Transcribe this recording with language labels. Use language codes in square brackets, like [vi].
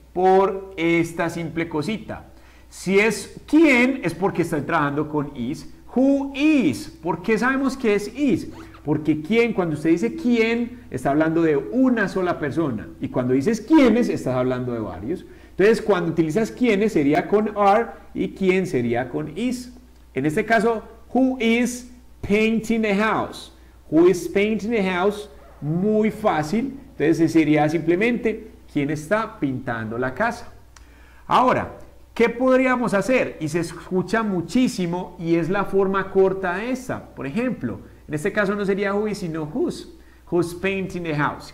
[es] Por esta simple cosita. Si es quién, es porque estoy trabajando con is. Who is. ¿Por qué sabemos que es is? Porque quién, cuando usted dice quién, está hablando de una sola persona. Y cuando dices quiénes, estás hablando de varios. Entonces, cuando utilizas quiénes, sería con are y quién sería con is. En este caso, [en] who is painting the house. Who is painting the house. [es] Muy fácil. Entonces, sería simplemente quién está pintando la casa. Ahora, ¿qué podríamos hacer? Y se escucha muchísimo y es la forma corta de esta. Por ejemplo, en este caso no sería who is, sino who's. [en] Who's painting the house.